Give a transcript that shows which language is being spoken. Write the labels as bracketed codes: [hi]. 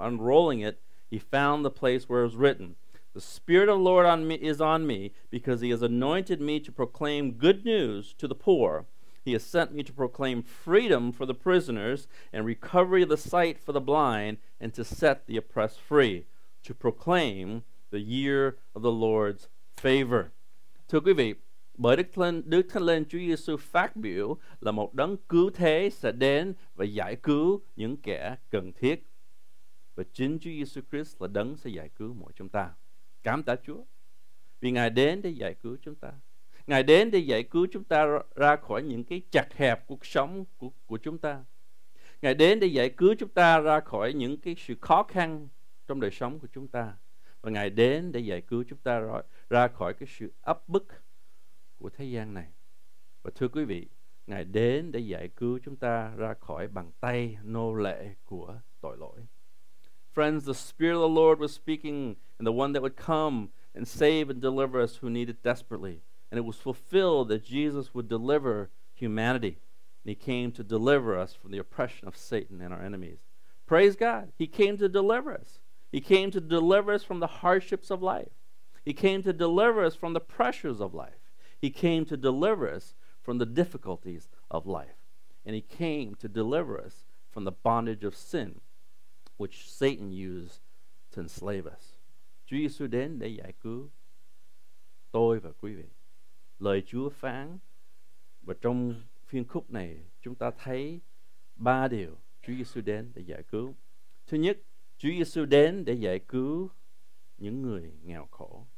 [en] Unrolling it, he found the place where it was written, "The Spirit of the Lord is on me, because he has anointed me to proclaim good news to the poor. He has sent me to proclaim freedom for the prisoners and recovery of the sight for the blind and to set the oppressed free, to proclaim the year of the Lord's favor." [vi] Thưa quý vị, bởi Đức Thánh Linh Chúa Giêsu phát biểu là một đấng cứu thế sẽ đến và giải cứu những kẻ cần thiết. Và chính Chúa Giêsu Christ là đấng sẽ giải cứu mỗi chúng ta. Cảm tạ Chúa vì Ngài đến để giải cứu chúng ta. Ngài đến để giải cứu chúng ta ra khỏi những cái chặt hẹp cuộc sống của chúng ta. Ngài đến để giải cứu chúng ta ra khỏi những cái sự khó khăn trong đời sống của chúng ta. Và Ngài đến để giải cứu chúng ta ra khỏi cái sự áp bức của thế gian này. Và thưa quý vị, Ngài đến để giải cứu chúng ta ra khỏi bàn tay nô lệ của tội lỗi. [en] Friends, the Spirit of the Lord was speaking, and the one that would come and save and deliver us who needed desperately. And it was fulfilled that Jesus would deliver humanity. And he came to deliver us from the oppression of Satan and our enemies. Praise God. He came to deliver us. He came to deliver us from the hardships of life. He came to deliver us from the pressures of life. He came to deliver us from the difficulties of life. And he came to deliver us from the bondage of sin, which Satan used to enslave us. [vi] Jesus đến để giải cứu tôi và quý vị. Lời Chúa phán, và trong phiên khúc này chúng ta thấy ba điều Chúa Giêsu đến để giải cứu. Thứ nhất, Chúa Giêsu đến để giải cứu những người nghèo khổ.